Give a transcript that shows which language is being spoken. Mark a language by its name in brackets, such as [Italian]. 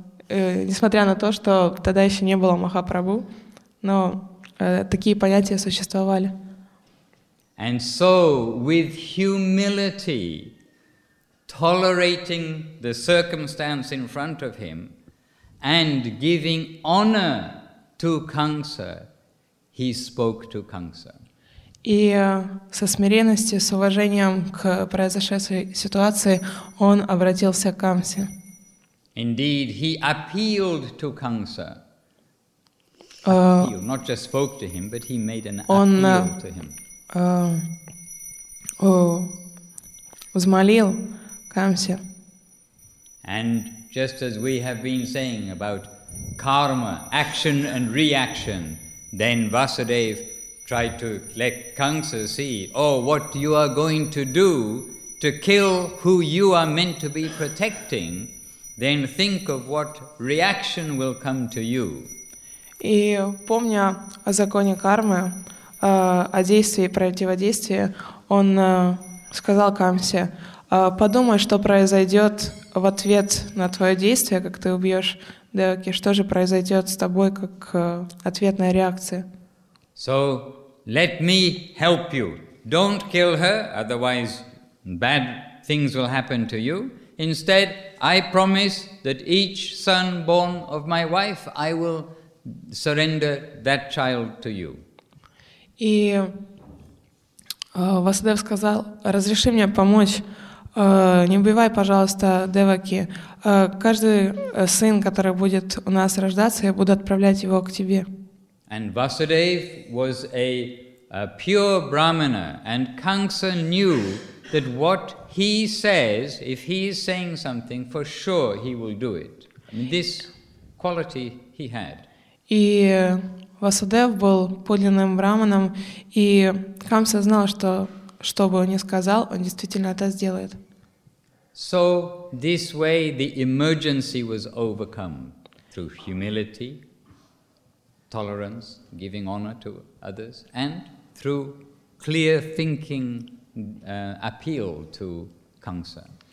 [Russian] Несмотря на то, что тогда еще не было Махапрабху, но такие понятия существовали. [English] And so, with humility, tolerating the circumstance in front of him and giving honor to Kamsa, he spoke to Kamsa. [Russian] И со смиренностью, с уважением к произошедшей ситуации он обратился к Камсе. [English] Indeed, he appealed to Kamsa. Not just spoke to him, but he made an appeal to him. [Russian] Взмолил Камсе. [English] And just as we have been saying about karma, action and reaction, then Vasudev tried to let Kamsa see, oh, what you are going to do to kill who you are meant to be protecting, then think of what reaction will come to you. [Russian] И помня о законе кармы, о действии и противодействии, он сказал Камсе, подумай, что произойдет в ответ на твое действие, как ты убьешь Деваки, что же произойдет с тобой, как ответная реакция. [English] So, let me help you. Don't kill her, otherwise bad things will happen to you. Instead, I promise that each son born of my wife, I will surrender that child to you. [Russian] И Васудев сказал, разреши мне помочь. Не убивай, пожалуйста, Деваки. Каждый сын, который будет у нас рождаться, я буду отправлять его к тебе. [English] And Vasudev was a pure brahmana, and Kamsa knew that what he says, if he is saying something, for sure he will do it. I mean, this quality he had. [Russian] І Васудев був подлинним браманом, і Камса знав, що що би він не сказав, він дійсно це зробить. [English] So this way the emergency was overcome through humility, tolerance, giving honor to others, and through clear thinking appeal to Kamsa.